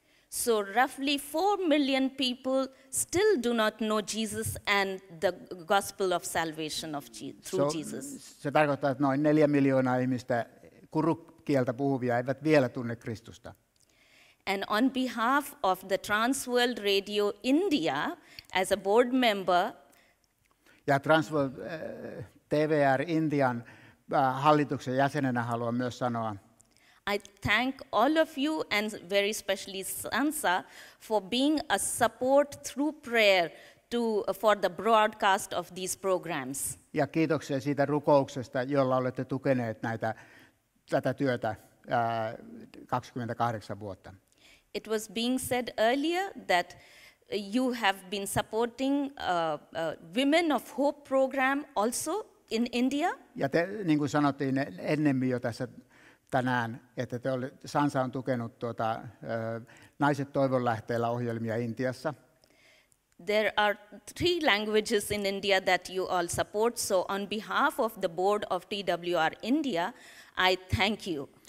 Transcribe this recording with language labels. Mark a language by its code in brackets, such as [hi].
[en] So roughly 4 million people still do not know Jesus and the gospel of salvation of Jesus. [fi] Se tarkoittaa, että noin 4 miljoonaa ihmistä Kuruk kieltä puhuvia eivät vielä tunne Kristusta. [en] And on behalf of the Transworld Radio India as a board member. [fi] Ja Transworld TVR Indian hallituksen jäsenenä haluan myös sanoa. [en] I thank all of you and very especially Sansa for being a support through prayer for the broadcast of these programs. [fi] Ja kiitoksia siitä rukouksesta, jolla olette tukeneet tätä työtä 28 vuotta. [en] It was being said earlier that you have been supporting Women of Hope program also in India. [fi] Ja te, niin kuin sanottiin ennemmin jo tässä tänään, että Sansa on tukenut Naiset toivon lähteellä -ohjelmia Intiassa. [en] There are 3 languages in India that you all support, so on behalf of the board of TWR India, I thank you.